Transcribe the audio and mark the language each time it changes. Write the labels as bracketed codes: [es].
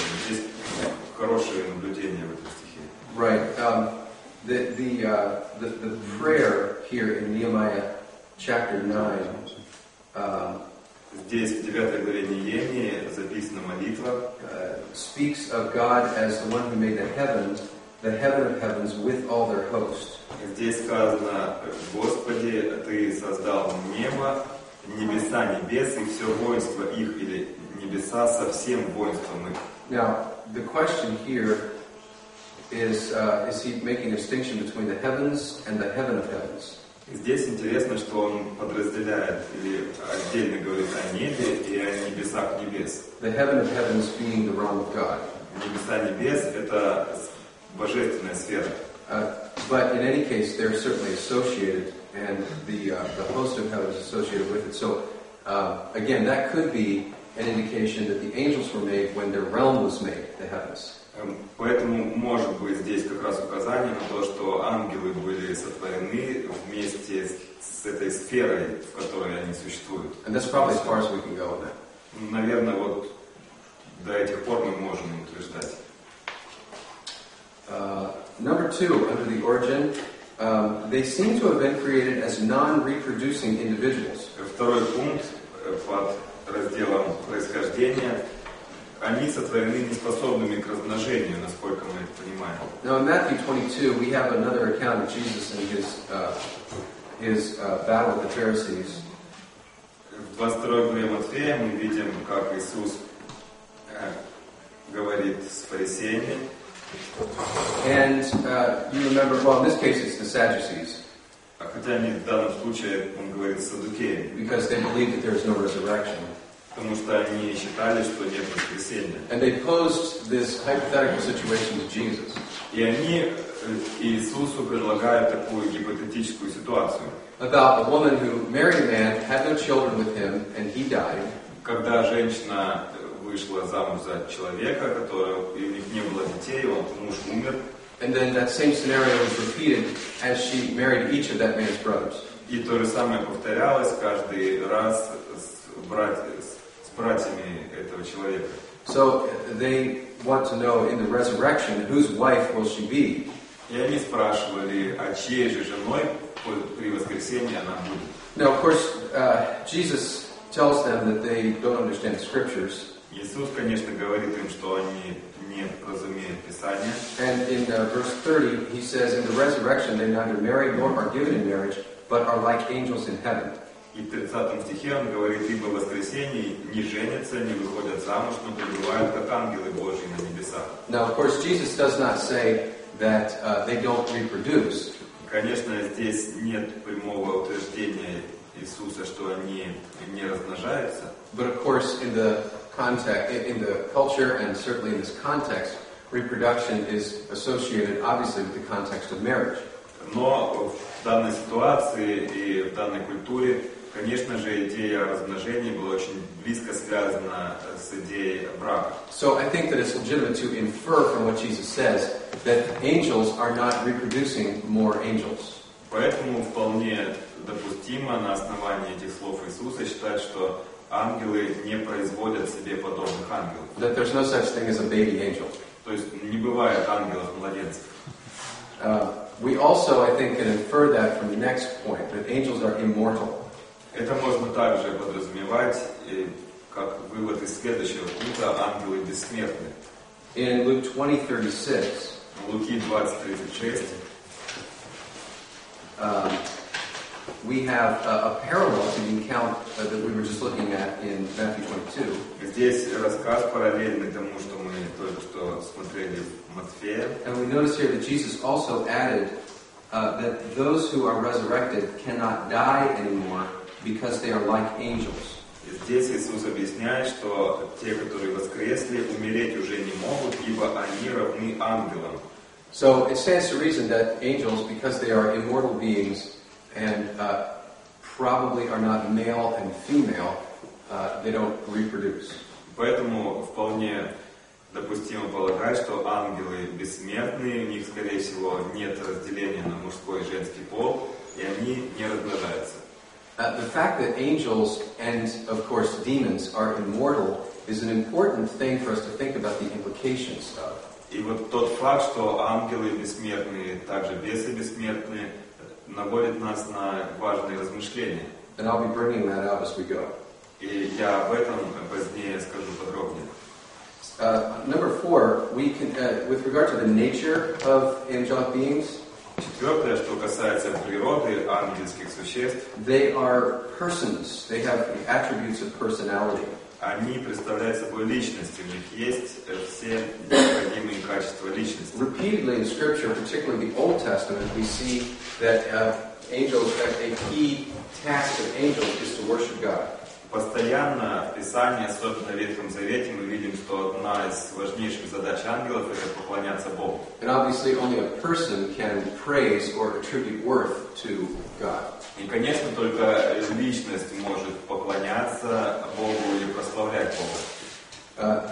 [ru] Есть хорошее наблюдение в этом стихе. [en] Right. The prayer here in Nehemiah chapter 9. [ru] Здесь в 9 главе Неемии записана молитва. [en] Speaks of God as the one who made the heaven of heavens with all their host. [ru] Здесь сказано: Господи, ты создал небо, небеса, небес и все воинство их, или небеса со всем воинством их. [en] Now, the question here is he making a distinction between the heavens and the heaven of heavens? [ru] Здесь интересно, что он подразделяет или отдельно говорит о небе и о небесах небес. [en] The heaven of heavens being the realm of God. [ru] Небеса небес — это божественная сфера. [en] But in any case, they're certainly associated, and the host of heaven is associated with it. So, again, that could be an indication that the angels were made when their realm was made, the heavens. [ru] Поэтому может быть здесь как раз указание на то, что ангелы были сотворены вместе с этой сферой, в которой они существуют. [en] And that's probably as far as we can go with that. [ru] Наверное, вот до этих пор мы можем утверждать. [en] Number two, under the origin, they seem to have been created as non-reproducing individuals. [ru] Второй пункт под разделом происхождения. Они сотворены неспособными к размножению, насколько мы это понимаем. [en] Now in Matthew 22 we have another account of Jesus and his battle with the Pharisees. [ru] В 22 главе Матфея мы видим, как Иисус говорит с фарисеями. [en] And you remember, well, in this case it's the Sadducees. [ru] А хотя они в данном случае он говорит с саддукеями. [en] Because they believe that there is no resurrection. [ru] Потому что они считали, что нет воскресения. [en] And they posed this hypothetical situation to Jesus. [ru] И они Иисусу предлагают такую гипотетическую ситуацию. [en] About a woman who married a man, had no children with him, and he died. [ru] Когда женщина вышла замуж за человека, который, у них не было детей, и вот муж умер. [en] And then that same scenario was repeated as she married each of that man's brothers. [ru] И то же самое повторялось каждый раз с братьями этого человека. [en] So they want to know in the resurrection whose wife will she be? [ru] И они спрашивали, а чьей же женой при воскресении она будет? [en] Now of course Jesus tells them that they don't understand the scriptures. [ru] Иисус, конечно, говорит им, что они не разумеют Писание. [en] And in verse 30 he says, in the resurrection they neither marry nor are given in marriage, but are like angels in heaven. [ru] И в 30 стихе он говорит, ибо в воскресенье не женятся, не выходят замуж, но пребывают как ангелы Божьи на небесах. [en] Now, of course, Jesus does not say that they don't reproduce. [ru] Конечно, здесь нет прямого утверждения Иисуса, что они не размножаются. [en] But, of course, in the context, in the culture, and certainly in this context, reproduction is associated, obviously, with the context of marriage. [ru] Но в данной ситуации и в данной культуре, конечно же, идея размножения была очень близко связана с идеей брака. [en] So I think that it's legitimate to infer from what Jesus says that angels are not reproducing more angels. [ru] Поэтому вполне допустимо на основании этих слов Иисуса считать, что ангелы не производят себе подобных ангелов. [en] That there's no such thing as a baby angel. [ru] То есть не бывает ангелов-младенцев. [en] We also, I think, can infer that from the next point, that angels are immortal. [ru] Это можно также подразумевать, как вывод из следующего пункта, ангелы бессмертны. [en] In Luke 20:36, [ru] Луки 20:36, [en] we have a parallel to the account that we were just looking at in Matthew 22. [ru] Здесь рассказ параллельный тому, что мы только что смотрели в Матфея. [en] And we notice here that Jesus also added that those who are resurrected cannot die anymore because they are like angels. [ru] Здесь Иисус объясняет, что те, которые воскресли, умереть уже не могут, ибо они равны ангелам. [en] So it stands to reason that angels, because they are immortal beings, and probably are not male and female, they don't reproduce. [ru] Поэтому вполне допустимо полагать, что ангелы бессмертные, у них, скорее всего, нет разделения на мужской и женский пол, и они не размножаются. [en] The fact that angels and, of course, demons are immortal is an important thing for us to think about the implications of. [ru] И вот тот факт, что ангелы бессмертные, также бесы бессмертные, наводит нас на важные размышления. [en] And I'll be bringing that out as we go. [ru] И я об этом позднее скажу подробнее. [en] Number four, we can, with regard to the nature of angelic beings. [ru] Четвертое, что касается природы ангельских существ. [en] They are persons. They have the attributes of personality. [ru] Они представляют собой личности. У них есть все необходимые качества личности. [en] Repeatedly in Scripture, particularly the Old Testament, we see that angels, that a key task of angels is to worship God. [ru] Постоянно в Писании, особенно в Ветхом Завете, мы видим, что одна из важнейших задач ангелов — это поклоняться Богу. [en] And obviously, only a person can praise or attribute worth to God. [ru] И, конечно, только личность может поклоняться Богу или прославлять Бога.